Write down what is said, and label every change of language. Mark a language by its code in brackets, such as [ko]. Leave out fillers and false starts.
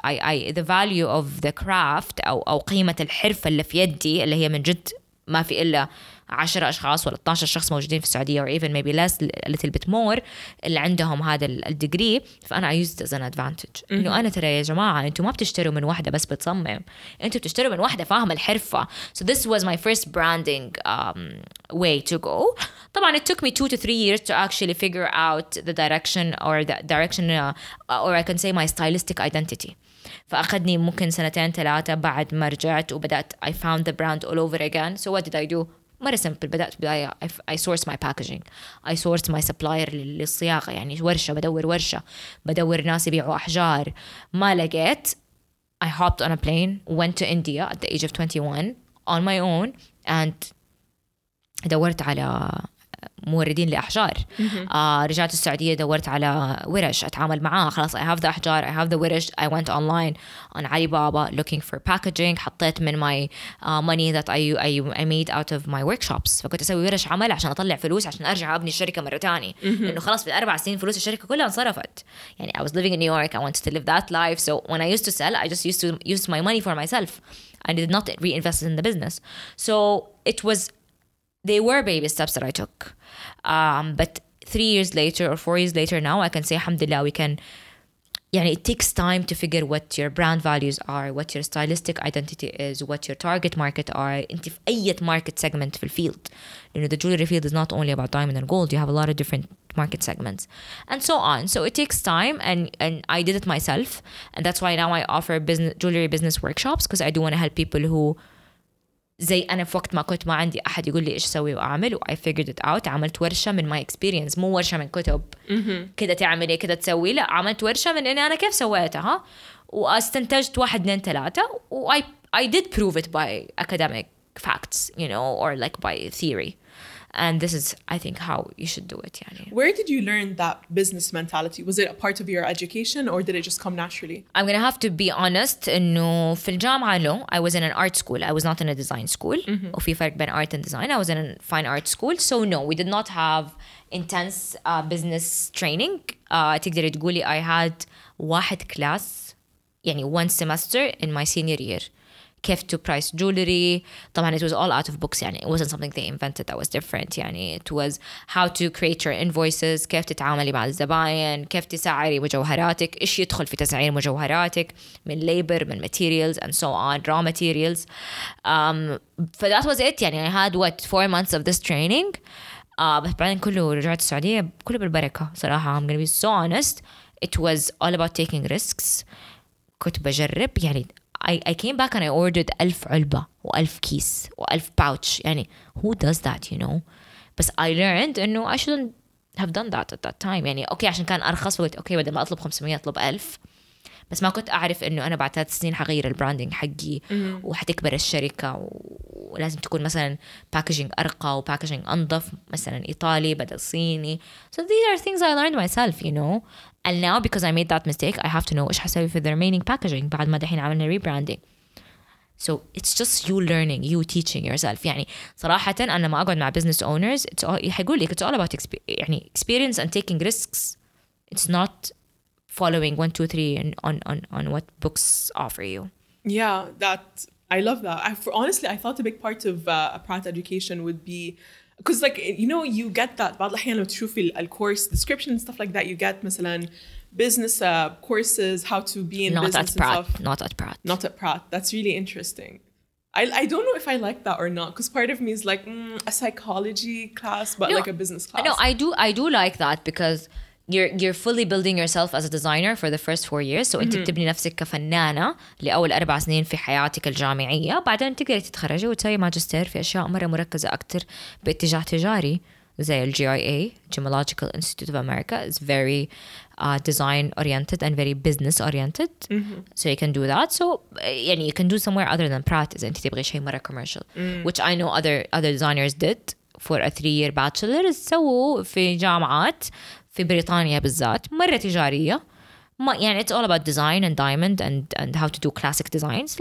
[en] I the value of the craft [ar] أو قيمة الحرفة اللي في يدي اللي هي من جد ما في إلا 10 أشخاص ولا 12 شخص موجودين في السعودية [en] or even maybe less a little bit more [ar] اللي عندهم هذا الديجري. فأنا [en] I use it as an advantage. [ar] إنه أنا ترى يا جماعة أنتوا ما بتشتروا من واحدة بس بتصمم, أنتوا بتشتروا من واحدة فاهم الحرفة. [en] So this was my first branding way to go. [ar] طبعا [en] it took me 2 to 3 years to actually figure out the direction or the direction or I can say my stylistic identity. [ar] فأخذني ممكن سنتين ثلاثة بعد ما رجعت وبدأت [en] I found the brand all over again. So what did I do? [ar] مرة سمبل, بدأت بداية [en] I sourced my packaging, I sourced my supplier [ar] للصياغة, يعني ورشة بدور ورشة بدور ناس يبيعوا أحجار. ما لقيت, [en] I hopped on a plane, went to India at the age of 21 on my own and [ar] دورت على موردين لأحجار. رجعت السعودية دورت على ورش أتعامل معاه, خلاص [en] I have the [ar] أحجار, I have the ورش. [en] I went online on Alibaba looking for packaging, [ar] حطيت من [en] my money that I made out of my workshops. [ar] فكنت أسوي ورش عمل عشان أطلع فلوس عشان أرجع أبني الشركة مرة تاني. لأنه خلاص بالأربع سنين فلوس الشركة كلها انصرفت. [en] يعني I was living in New York, I wanted to live that life, so when I used to sell I just used to use my money for myself, I did not reinvest in the business. So it was, they were baby steps that I took. But 3 years later or 4 years later now, I can say, alhamdulillah, we can, يعني it takes time to figure what your brand values are, what your stylistic identity is, what your target market are, [ar] انت في أي [en] market segment [ar] في الفيلد. [en] You know, the jewelry field is not only about diamond and gold. You have a lot of different market segments and so on. So it takes time and I did it myself. And that's why now I offer business jewelry business workshops because I do want to help people who [ar] زي أنا في وقت ما كنت ما عندي أحد يقول لي إيش سوي وأعمل, [en] I figured it out. [ar] عملت ورشة من [en] my experience, [ar] مو ورشة من كتب كده تعملي كده تسوي, لا عملت ورشة من إني أنا كيف سويتها واستنتجت واحد اثنين ثلاثة و [en] I did prove it by academic facts, you know, or like by theory. And this is, I think, how you should do it. [ar] يعني. [en] Where did you learn that business mentality? Was it a part of your education or did it just come naturally? I'm going to have to be honest. [ar] إنه في الجامعة, [en] no, I was in an art school. I was not in a design school. [ar] وفي فرق بين [en] art and design. I was in a fine art school. So no, we did not have intense business training. [ar] تقدر تقولي [en] I had واحد class, يعني one semester in my senior year. كيف to price jewelry. طبعا it was all out of books, يعني it wasn't something they invented that was different. [ar] يعني [en] it was how to create your invoices, [ar] كيف تتعاملي مع الزباين, كيف تسعري مجوهراتك, إيش يدخل في تسعير مجوهراتك من labor, من [en] materials and so on, raw materials. ف that was it. يعني I had what, 4 months of this training. [ar] بس بعدين كله رجعت السعودية كله بالبركة صراحة. [en] I'm gonna be so honest, it was all about taking risks. [ar] كنت بجرب, [en] يعني I came back and I ordered 1,000 [ar] علبة و 1,000 كيس و 1,000 [en] pouch. يعني who does that, you know? But I learned and no, I shouldn't have done that at that time. [ar] يعني okay, عشان كان أرخص فقلت okay, بدل ما أطلب 500 أطلب 1,000. بس ما كنت أعرف إنه أنا بعد 3 سنين حغير البراندينج حقي وحتكبر الشركة ولازم تكون مثلاً packaging أرقى و packaging أنظف, مثلاً إيطالي بدل صيني. [en] So these are things I learned myself, you know. And now because I made that mistake, I have to know [ar] إيش حسوي في [en] the remaining packaging [ar] بعد ما دحين عملنا [en] rebranding. So it's just you learning, you teaching yourself. [ar] يعني صراحة أنا ما أقعد مع [en] business owners, it's all, [ar] حيقول لي [en] it's all about يعني experience and taking risks. It's not following 1, 2, 3 and on what books offer you. Yeah, that I love that. Honestly, I thought a big part of a brand education would be, because like, you know, you get that [ar] بعض الأحيان لو تشوف الكورس [en] description and stuff like that, you get مثلا business courses, how to be in business and stuff. Not at Pratt. Not at Pratt. That's really interesting. I don't know if I like that or not, because part of me is like a psychology class, but no, like a business class. No, I do like that because You're fully building yourself as a designer for the first 4 years. [ar] So انت بتبني نفسك كفنانة لأول 4 سنين في حياتك الجامعية. بعدين تقدر تتخرجي وتسوي ماجستير في أشياء مرة مركزة أكتر باتجاه تجاري زي GIA, Gemological Institute of America. [en] It's very design oriented and very business oriented. So you can do that. So يعني you can do somewhere other than Pratt [ar] إذا انت تبغي شيء مرة [en] commercial. Which I know other designers did for a 3-year bachelor. [ar] سووا في جامعات في بريطانيا بالذات مرة تجارية, ما يعني [en] it's all about design and diamond and how to do classic designs.